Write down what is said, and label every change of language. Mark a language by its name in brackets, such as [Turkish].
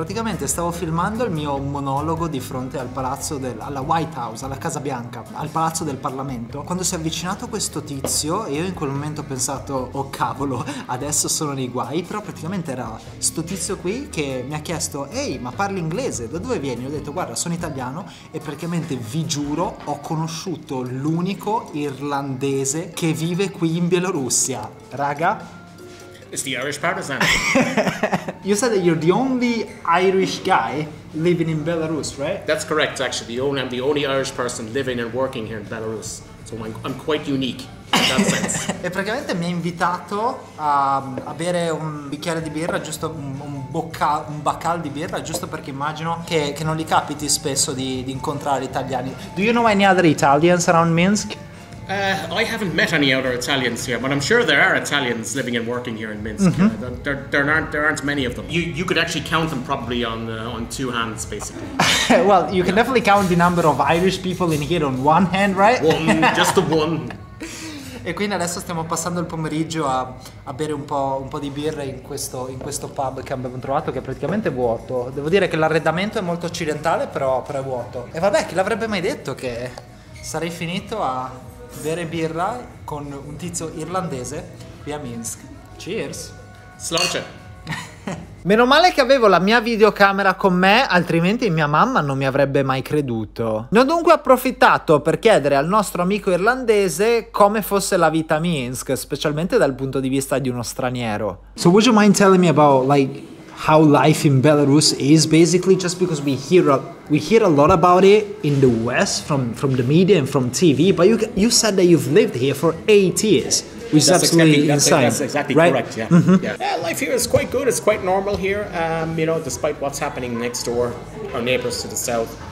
[Italian] Praticamente stavo filmando il mio monologo di fronte al palazzo alla White House, alla Casa Bianca, al palazzo del Parlamento, quando si è avvicinato questo tizio e io in quel momento ho pensato, oh cavolo, adesso sono nei guai, però praticamente era sto tizio qui che mi ha chiesto, ehi, ma parli inglese, da dove vieni? Ho detto, guarda, sono italiano, e praticamente vi giuro, ho conosciuto l'unico irlandese che vive qui in Bielorussia. Raga, [English] it's the Irish partisan. You said that you're the only Irish guy living in Belarus, right? That's correct, actually. I'm the only Irish person living and working here in Belarus. So I'm quite unique in that sense. [Italian] E praticamente mi ha invitato a bere un bicchiere di birra, giusto un bacal di birra, giusto perché immagino che non gli capiti spesso di incontrare italiani. [English] Do you know any other Italians around Minsk? I haven't met any other Italians here, but I'm sure there are Italians living and working here in Minsk. Mm-hmm. There aren't many of them. You could actually count them probably on two hands, basically. Well, you can definitely count the number of Irish people in here on one hand, right? Just the one. [Italian] E quindi adesso stiamo passando il pomeriggio a bere un po' di birra in questo pub che abbiamo trovato, che è praticamente vuoto. Devo dire che l'arredamento è molto occidentale, però è vuoto. E vabbè, chi l'avrebbe mai detto che sarei finito a bere birra con un tizio irlandese qui a Minsk. [English] Cheers! [Irish] Sláinte! [Italian] Meno male che avevo la mia videocamera con me, altrimenti mia mamma non mi avrebbe mai creduto. Ne ho dunque approfittato per chiedere al nostro amico irlandese come fosse la vita a Minsk, specialmente dal punto di vista di uno straniero. [English] So would you mind telling me about like how life in Belarus is basically, just because we hear a lot about it in the West from the media and from TV, but you said that you've lived here for 8 years, which that's is absolutely exactly, insane. That's exactly right? Correct, yeah. Mm-hmm. Yeah. Yeah, life here is quite good, it's quite normal here, you know, despite what's happening next door, our neighbors to the south.